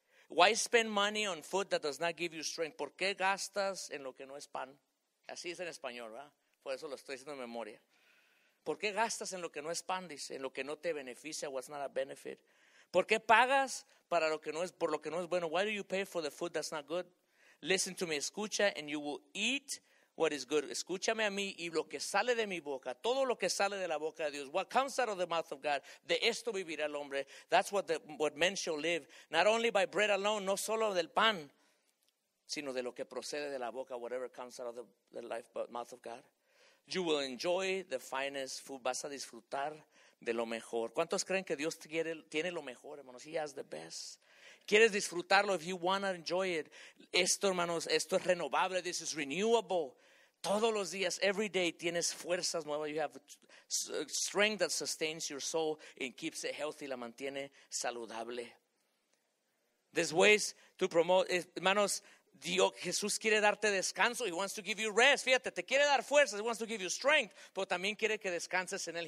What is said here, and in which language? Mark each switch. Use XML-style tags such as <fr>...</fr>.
<en>Why spend money on food that does not give you strength?</en> <es>¿Por qué gastas en lo que no es pan? Así es en español, ¿verdad? Por eso lo estoy diciendo en memoria. ¿Por qué gastas en lo que no es pan? Dice, en lo que no te beneficia,</es> <en>what's not a benefit.</en> <es>¿Por qué pagas para lo que no es, por lo que no es bueno?</es> <en>Why do you pay for the food that's not good? Listen to me,</en> <es>escucha,</es> <en>and you will eat what is good.</en> <es>Escúchame a mí, y lo que sale de mi boca, todo lo que sale de la boca de Dios,</es> <en>what comes out of the mouth of God,</en> <es>de esto vivirá el hombre.</es> <en>That's what men shall live. Not only by bread alone,</en> <es>no solo del pan, sino de lo que procede de la boca,</es> <en>whatever comes out of the mouth of God. You will enjoy the finest food.</en> <es>Vas a disfrutar de lo mejor. ¿Cuántos creen que Dios tiene lo mejor, hermanos?</es> <en>He has the best.</en> <es>¿Quieres disfrutarlo?</es> <en>If you want to enjoy it.</en> <es>Esto, hermanos, esto es renovable.</es> <en>This is renewable.</en> <es>Todos los días,</es> <en>every day,</en> <es>tienes fuerzas nuevas.</es> <en>You have strength that sustains your soul and keeps it healthy.</en> <es>La mantiene saludable.</es> <en>There's ways to promote.</en> <es>Hermanos, Dios, Jesús quiere darte descanso.</es> <en>He wants to give you rest.</en> <es>Fíjate, te quiere dar fuerzas.</es> <en>He wants to give you strength.</en> <es>Pero también quiere que descanses en Él.</es>